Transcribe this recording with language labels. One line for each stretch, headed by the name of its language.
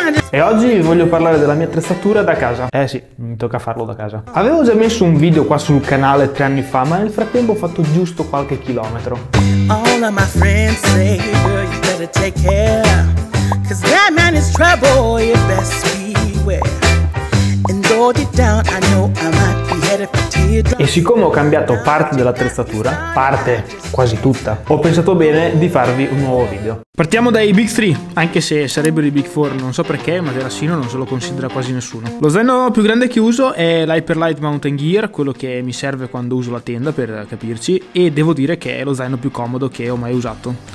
Italian: E oggi vi voglio parlare della mia attrezzatura da casa. Eh sì, mi tocca farlo da casa. Avevo già messo un video qua sul canale 3 anni fa, ma nel frattempo ho fatto giusto qualche chilometro.
English: All of my friends say, girl, you better take care, 'cause that man is trouble, you best beware. And though deep down I know I might be headed for teardrops.
Italian: E siccome ho cambiato parte dell'attrezzatura, parte quasi tutta, ho pensato bene di farvi un nuovo video. Partiamo dai Big 3, anche se sarebbero i Big 4, non so perché, ma Terassino non se lo considera quasi nessuno. Lo zaino più grande che uso è l'Hyperlite Mountain Gear, quello che mi serve quando uso la tenda, per capirci, e devo dire che è lo zaino più comodo che ho mai usato.